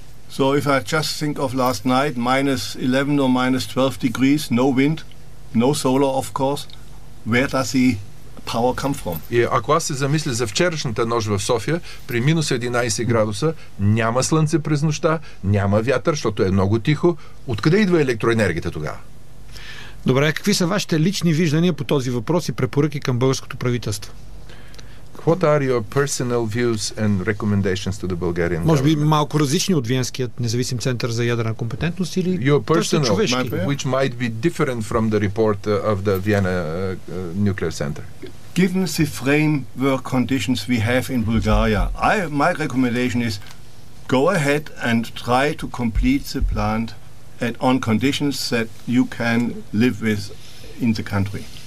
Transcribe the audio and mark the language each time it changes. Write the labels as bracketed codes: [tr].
[en] So if I just think of last night, minus 11 or minus 12 degrees, no wind, no solar, of course, where does the power come from? [bg] И ако аз се замисля за вчерашната нощ в София, при минус 11 градуса, няма слънце през нощта, няма вятър, защото е много тихо, откъде идва електроенергията тогава? Добре, какви са вашите лични виждания по този въпрос и препоръки към българското правителство? [en] What are your personal views and recommendations to the Bulgarian government? [bg] Може би малко различни от Виенският независим център за ядрена компетентност или [en] Your personal, which might be different from the report of the Vienna nuclear center. Given the framework conditions we have in Bulgaria, my recommendation is go ahead and try to complete the plant on conditions that you can live with in the country.